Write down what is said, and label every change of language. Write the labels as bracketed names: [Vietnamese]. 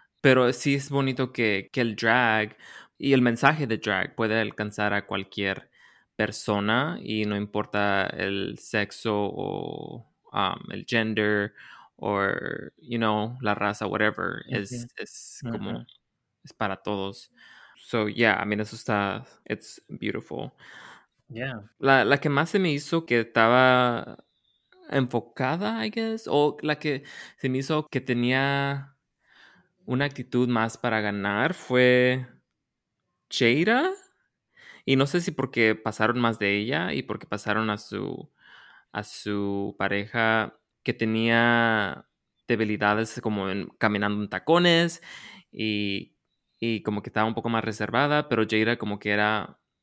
[Spanish] Pero sí es bonito que el drag y el mensaje de drag puede alcanzar a cualquier persona y no importa el sexo o el gender o, [English] you know, [Spanish] la raza, whatever. Es como, es para todos. [English] So, I mean, [Spanish] eso está, [English] it's beautiful. [Spanish] La que más se me hizo que estaba enfocada, [English] I guess, [Spanish] o la que se me hizo que tenía una actitud más para ganar fue Jada. Y no sé si porque pasaron más de ella y porque pasaron a su pareja que tenía debilidades como en caminando en tacones y como que estaba un poco más reservada, pero Jada como que era,